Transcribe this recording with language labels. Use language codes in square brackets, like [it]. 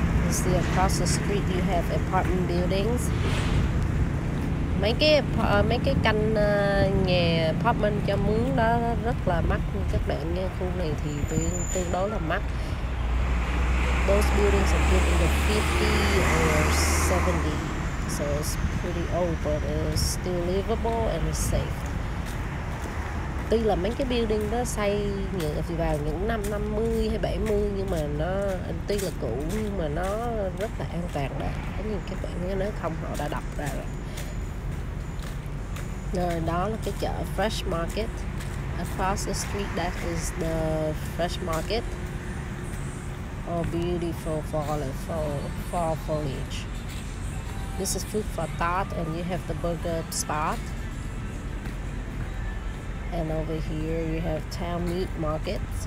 [en] See across the street you have apartment buildings. [vi] Mấy cái căn nhà apartment cho mướn đó rất là mắc các bạn nha. Khu này thì tương đối là mắc. [en] Those buildings are built in the 50s or 70s, so it's pretty old, but it's still livable and it's safe. [vi] Tuy là mấy cái building đó xây vào những năm 50 hay 70, nhưng mà nó tuy là cũ nhưng mà nó rất là an toàn đó. Có nhiều các bạn nhớ, nếu không họ đã đập ra rồi. Rồi đó là cái chợ Fresh Market. [en] Across the street that is the Fresh Market. Oh, beautiful fall foliage. This is Food for Thought, and you have the burger spot. And over here you have Town Meat Market.